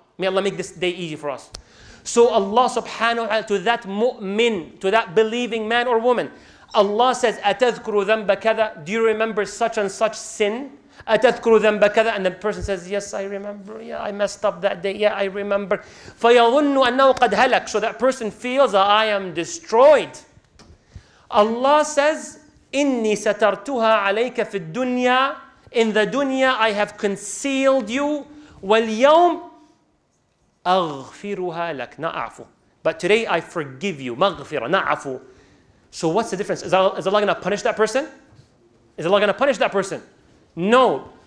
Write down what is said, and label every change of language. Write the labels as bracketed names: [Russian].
[English] May Allah make this day easy for us. So Allah subhanahu wa ta'ala, to that mu'min, to that believing man or woman, Allah says, [Arabic] أَتَذْكُرُ ذَنْبَ كَذَا? [English] Do you remember such and such sin? [Arabic] أَتَذْكُرُ ذَنْبَ كَذَا? [English] And the person says, yes, I remember. Yeah, I messed up that day. Yeah, I remember. [Arabic] فَيَظُنُّ أَنَّهُ قَدْ هَلَكَ. [English] So that person feels that I am destroyed. Allah says, [Arabic] إِنِّي سَتَرْتُهَا عَلَيْكَ فِي الدُّنْيَا. [English] In the dunya, I have concealed you. [Arabic] وَالْيَوْمِ أَغْفِرُهَا لَكَ. [English] Not [Arabic] عَفُو. [English] But today, I forgive you. مَغْفِرَ. Not عَفُو. So what's the difference? Is Allah going to punish that person? Is Allah going to punish that person? No.